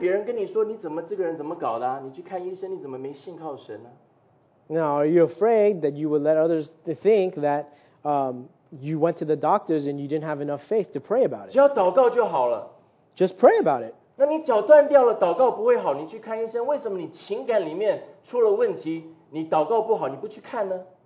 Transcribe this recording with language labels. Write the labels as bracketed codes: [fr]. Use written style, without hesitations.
[zh] 那你难道怕去找人帮忙以后别人跟你说你怎么这个人怎么搞的啊?你去看医生你怎么没信靠神呢? [en] Now, are you afraid that you would let others think that you went to the doctors and you didn't have enough faith to pray about it? [zh] 只要祷告就好了。 [en] Just pray about it. [zh] 那你脚断掉了,祷告不会好,你去看医生, 为什么你情感里面出了问题, 你祷告不好,你不去看呢?